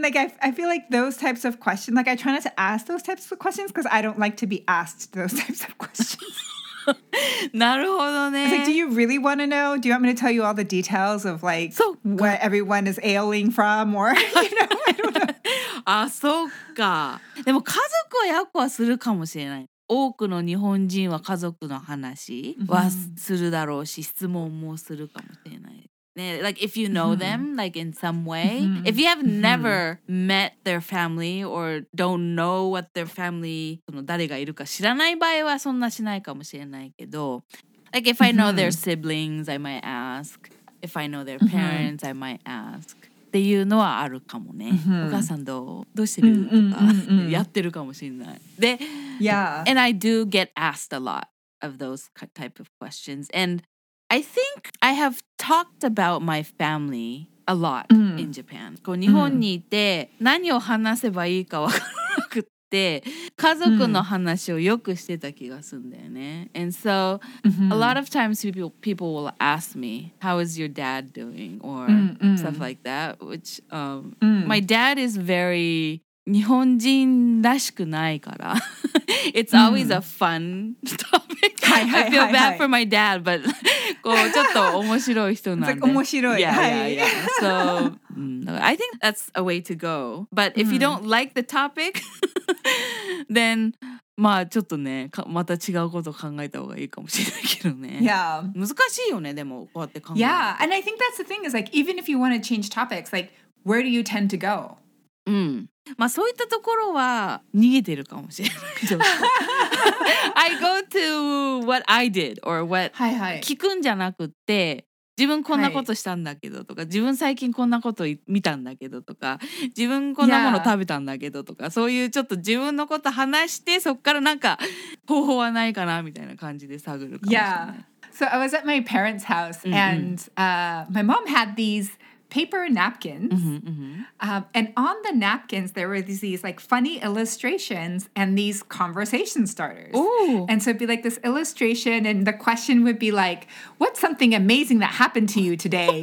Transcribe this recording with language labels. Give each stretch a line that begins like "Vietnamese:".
English: Like, I feel like those types of questions, like I try not to ask those types of questions because I don't like to be asked those types of questions.
Japanese: なるほどね。
English: It's like, do you really want to know? Do you want me to tell you all the details of like what everyone is ailing from? Or, you know, I don't know.
Japanese: あ、そっか。でも家族はやっこはするかもしれない。多くの日本人は家族の話はするだろうし、質問もするかもしれない。
English: ね、like if you know them, like in some way. If you have never met their family or don't know what their family,
Japanese: その誰がいるか知らない場合はそんなしないかもしれないけど、
English: like if I know their siblings, I might ask. If I know their parents, I might ask.
Japanese: っていうのはあるかもね。お母さんどうしてるとかやってるかもしれない。で、
English: yeah. And I do get asked a lot of those type of questions. And I think I have talked about my family a lot in Japan.
Japanese: こう日本にいて何を話せばいいかわからなくて、家族の話をよくしてた気がするんだよね。
English: And so a lot of times people will ask me, how is your dad doing? Or stuff like that, which my dad is very
Japanese: 日本人らしくないから
English: it's always a fun topic.
Japanese: はいはいはい、はい、
English: I feel bad for my dad, but
Japanese: こうちょっと面白い人なんで面白い。
English: Yeah, yeah, yeah. So I think that's a way to go. But if you don't like the topic, then
Japanese: まあちょっとね、また違うことを考えた方がいいかもしれないけどね。
English: Yeah.
Japanese: 難しいよね、でもこうやって考える。
English: Yeah, and I think that's the thing is like, even if you want to change topics, like, where do you tend to go?
Japanese: まあそういったところは逃げてるかもしれない。ちょっと。
English: I go to what I did or what
Japanese: はい、はい、聞くんじゃなくて、自分こんなことしたんだけどとか、はい、自分最近こんなこと見たんだけどとか、自分こんなもの食べたんだけどとか、そういうちょっと自分のこと話して、そっからなんか方法はないかなみたいな感じで探るかもしれない。
English: Yeah. So I was at my parents' house and my mom had these paper napkins. And on the napkins, there were these like funny illustrations and these conversation starters. Ooh. And so it'd be like this illustration and the question would be like, what's something amazing that happened to you today?